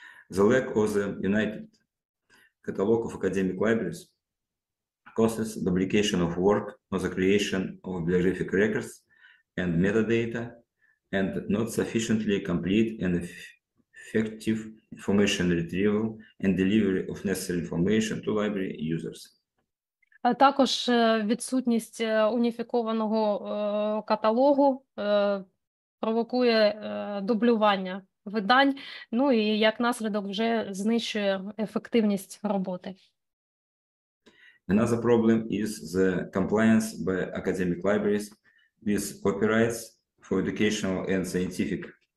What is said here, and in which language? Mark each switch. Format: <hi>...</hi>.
<en>The lack of the United Catalog of Academic Libraries causes duplication of work on the creation of bibliographic records and metadata and not sufficiently complete and effective information retrieval and delivery of necessary information to library users.</en> <uk>Також відсутність уніфікованого каталогу провокує дублювання видань, ну і як наслідок вже знищує ефективність роботи.</uk> <en>Another problem is the compliance by academic libraries with copyrights for educational and scientific.</en>